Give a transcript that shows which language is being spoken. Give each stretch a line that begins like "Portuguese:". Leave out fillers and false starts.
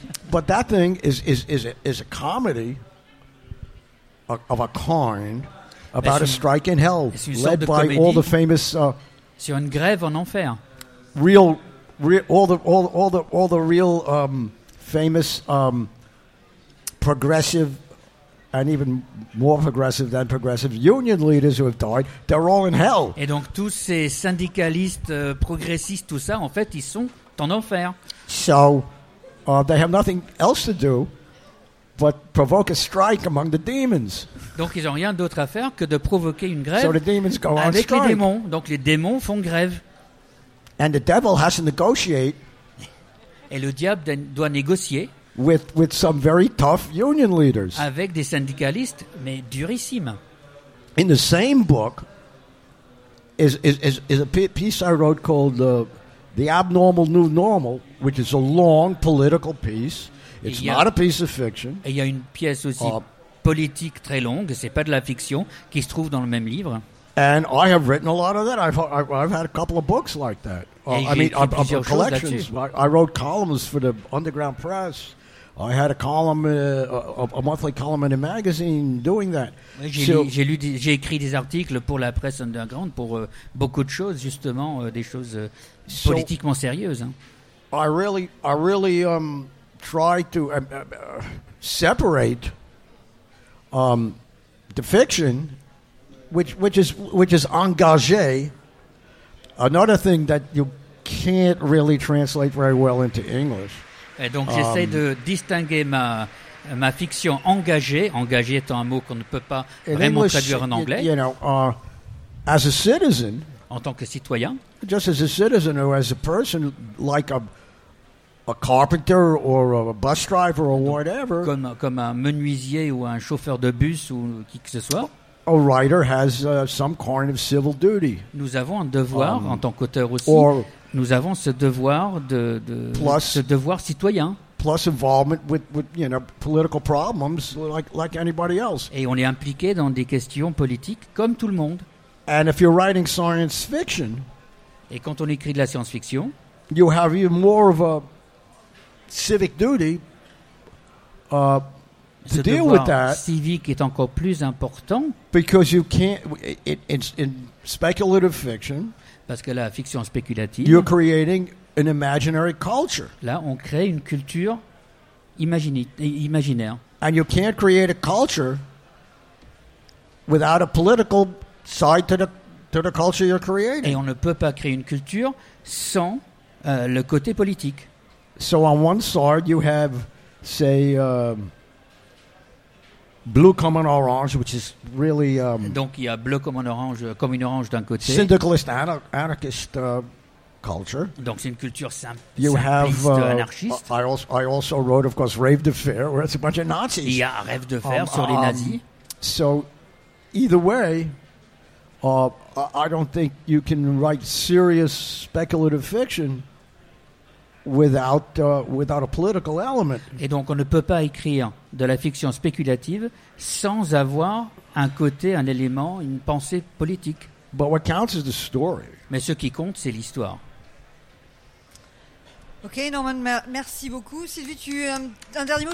English: But that thing is a comedy of a kind about a strike in hell, led by all the famous.
French: Sur une grève en enfer.
English: All the real famous progressive and even more progressive than progressive union leaders who have died, they're all in hell.
French: Et donc tous ces syndicalistes progressistes, tout ça, en fait, ils sont en enfer.
English: So they have nothing else to do but provoke a strike among the demons.
French: Donc ils ont rien d'autre à faire que de provoquer une grève.
English: So the demons go on strike.
French: Les démons, donc les démons font grève.
English: And the devil has to negotiate.
French: Et le diable doit négocier.
English: With some very tough union leaders.
French: Avec des syndicalistes, mais durissimes.
English: In the same book is a piece I wrote called The Abnormal New Normal, which is a long political piece. It's not a piece of fiction.
French: Et il y a une pièce aussi politique très longue, c'est pas de la fiction, qui se trouve dans le même livre.
English: And I have written a lot of that. I've had a couple of books like that. I mean, collections. I wrote columns for the Underground Press. I had a column, a monthly column in a magazine, doing that.
French: J'ai écrit des articles pour la presse underground pour beaucoup de choses, justement des choses politiquement sérieuses.
English: Hein. I really try to separate the fiction. Which is engagé. Another thing that you can't really translate very well into English.
French: Et donc j'essaie de distinguer ma fiction engagée. Engagé étant un mot qu'on ne peut pas vraiment
English: English,
French: traduire en anglais.
English: You know, as a citizen.
French: En tant que citoyen.
English: Just as a citizen or as a person, like a carpenter or a bus driver or whatever.
French: Comme un menuisier ou un chauffeur de bus ou qui que ce soit.
English: A writer has some kind of civil duty.
French: Nous avons un devoir en tant qu'auteur aussi. Nous avons ce devoir ce devoir citoyen.
English: Plus involvement with you know political problems like anybody else.
French: Et on est impliqué dans des questions politiques comme tout le monde.
English: And if you're writing science fiction,
French: et quand on écrit de la science-fiction,
English: you have even more of a civic duty. To
French: ce
English: deal with that,
French: civique est encore plus important.
English: Because you can't, in speculative fiction,
French: parce que la fiction spéculative,
English: you're creating an imaginary culture.
French: Là, on crée une culture imaginaire.
English: And you can't create a culture without a political side to the culture you're creating.
French: Et on ne peut pas créer une culture sans le côté politique.
English: So on one side you have, say, blue comme un orange, which is really.
French: Donc il y a bleu comme une orange d'un côté.
English: Syndicalist anarchist culture.
French: Donc c'est une culture simpliste,
English: you have,
French: anarchiste.
English: I also wrote, of course, Rêve de Fer, where it's a bunch of Nazis.
French: Il y a Rêve de Fer sur les nazis.
English: So, either way, I don't think you can write serious speculative fiction without a political element.
French: Et donc on ne peut pas écrire de la fiction spéculative sans avoir un côté, un élément, une pensée politique.
English: But what counts is the story.
French: Mais ce qui compte, c'est l'histoire. Ok, Norman, merci beaucoup. Sylvie, tu un dernier mot.